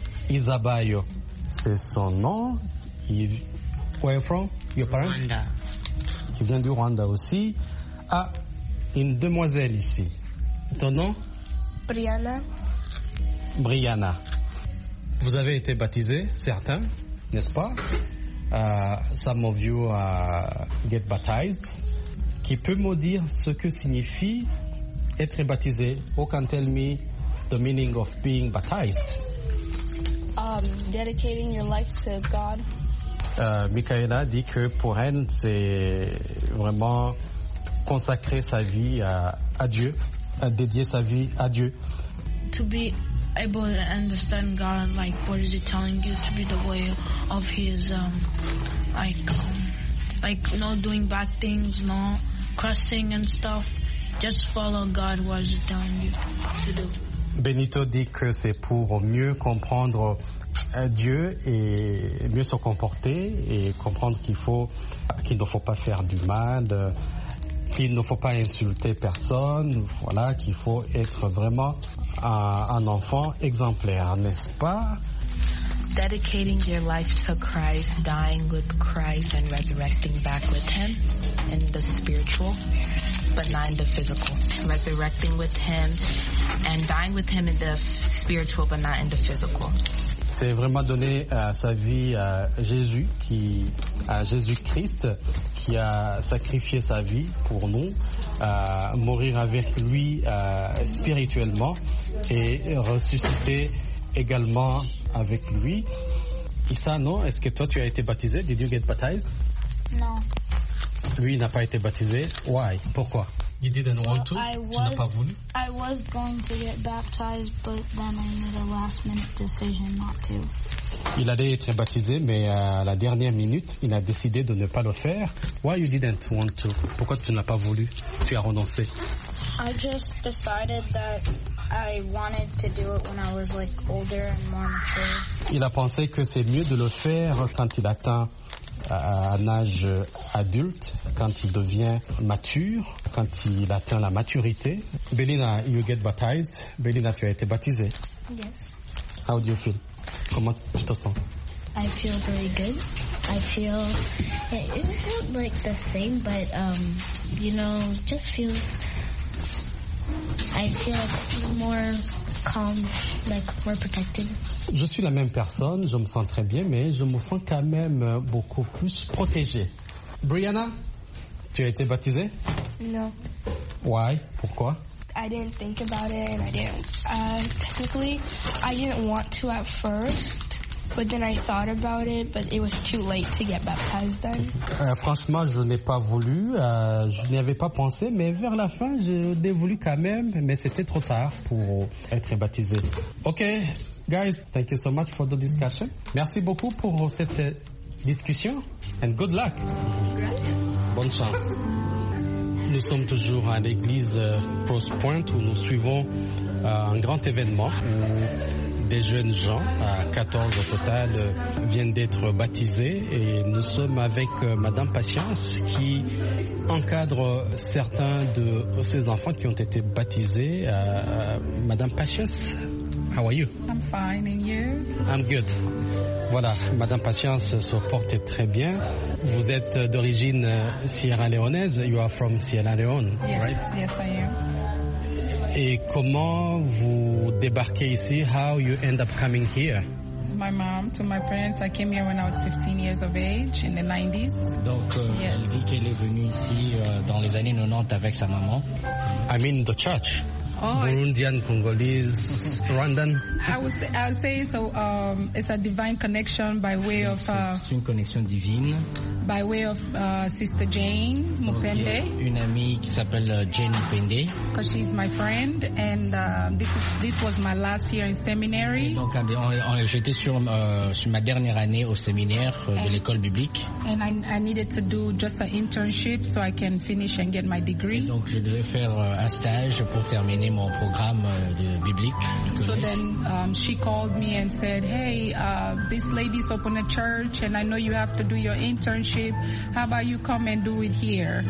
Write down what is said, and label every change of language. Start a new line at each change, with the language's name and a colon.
English: Isabayo,
French: c'est son nom.
English: Where are you from? Your parents? Rwanda.
French: Qui vient du Rwanda aussi. Ah, une demoiselle ici. Ton nom? Brianna. Brianna. Vous avez été baptisé, certains? N'est-ce pas?
English: Some of you get baptized.
French: Qui peut me dire ce que signifie être baptisé?
English: Who can tell me the meaning of being baptized? Dedicating your life to God.
French: Michaela dit que pour elle, c'est vraiment consacrer sa vie à Dieu, à dédier sa vie à Dieu.
English: To be able to understand God, like what is he telling you to be the way of his, like not doing bad things, not cursing and stuff. Just follow God, what is he telling you to do.
French: Benito dit que c'est pour mieux comprendre Dieu et mieux se comporter et comprendre qu'il ne faut pas faire du mal, qu'il ne faut pas insulter personne, voilà, qu'il faut être vraiment un enfant exemplaire, n'est-ce pas?
English: Dedicating your life to Christ, dying with Christ and resurrecting back with him in the spiritual, but not in the physical. Resurrecting with him and dying with him in the spiritual, but not in the physical.
French: C'est vraiment donner sa vie à Jésus, à Jésus-Christ, qui a sacrifié sa vie pour nous, mourir avec lui spirituellement et ressusciter également avec lui. Issa, non? Est-ce que toi, tu as été baptisé?
English: Did you get baptized?
French: Non. Lui, il n'a pas été baptisé.
English: Why?
French: Pourquoi?
English: You didn't want to?
French: Tu n'as pas voulu?
English: I was going to get baptized, but then I made a last-minute decision not to.
French: Il allait être baptisé, mais à la dernière minute, il a décidé de ne pas le faire.
English: Why you didn't want to?
French: Pourquoi tu n'as pas voulu? Tu as renoncé?
English: I just decided that I wanted to do it when I was like older and more mature.
French: Il a pensé que c'est mieux de le faire quand il atteint à un âge adulte, quand il devient mature, quand il atteint la maturité.
English: Belina, you get baptized.
French: Belina, tu as été baptisée.
English: Yes. How do you feel?
French: Comment tu te sens?
English: I feel very good. I feel, it isn't like the same, but, you know, just feels, I feel more calm, like more protected.
French: Je suis la même personne, je me sens très bien, mais je me sens quand même beaucoup plus protégée. Brianna, tu as été baptisée? Non.
English: Why?
French: Pourquoi?
English: I didn't think about it. And I didn't. Technically, I didn't want to at first, but then I thought about it, but it was too late to get baptized then.
French: Franchement, je n'ai pas voulu. Je n'y avais pas pensé, mais vers la fin, je l'ai voulu quand même, mais c'était trop tard pour être baptisée.
English: OK. Guys, thank you so much for the discussion.
French: Merci beaucoup pour cette discussion.
English: And good luck.
French: Bonne chance. Nous sommes toujours à l'église Cross Point où nous suivons un grand événement où des jeunes gens, 14 au total, viennent d'être baptisés. Et nous sommes avec Madame Patience qui encadre certains de ces enfants qui ont été baptisés.
English: Madame Patience, how are you? I'm fine, and you? I'm good.
French: Voilà, Madame Patience se porte très bien. Vous êtes d'origine Sierra Leonaise.
English: You are from Sierra Leone, yes, right? Yes, I am.
French: Et comment vous débarquez ici?
English: How you end up coming here? My mom to my parents. I came here when I was 15 years of age in the 90s.
French: Donc, yes. Elle dit qu'elle est venue ici dans les années 90 avec sa maman.
English: I mean the church. Oh, Burundian, Congolese, Rwandan. I would say so. It's a divine connection by way of.
French: C'est une connexion divine.
English: By way of Sister Jane Mupende.
French: Une amie qui s'appelle Jane Mupende.
English: Because she's my friend, and this was my last year in seminary.
French: Donc, j'étais sur ma dernière année au séminaire de l'école biblique.
English: And I needed to do just an internship so I can finish and get my degree.
French: Donc, je devais faire un stage pour terminer mon programme de biblique.
English: So then she called me and said, hey, this lady's open a church and I know you have to do your internship. How about you come and do it here?